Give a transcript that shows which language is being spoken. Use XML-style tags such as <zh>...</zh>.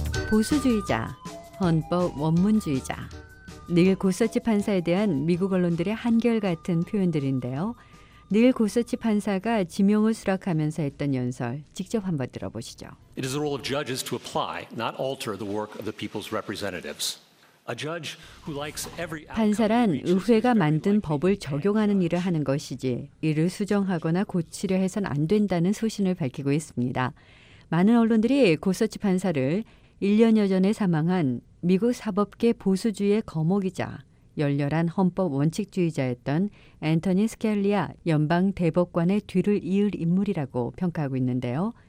<ko>보수주의자, 헌법 원문주의자. 닐 고서치 판사에 대한 미국 언론들의 한결같은 표현들인데요. 닐 고서치 판사가 지명을 수락하면서 했던 연설 직접 한번 들어보시죠.</ko> <en>It is the role of judges to apply, not alter the work of the people's representatives.</en> <ko>판사란 의회가 만든 법을 적용하는 일을 하는 것이지 이를 수정하거나 고치려 해선 안 된다는 소신을 밝히고 있습니다. 많은 언론들이 고서치 판사를 1년여 전에 사망한 미국 사법계 보수주의의 거목이자 열렬한 헌법 원칙주의자였던 앤터니 스칼리아 연방 대법관의 뒤를 이을 인물이라고 평가하고 있는데요.</ko>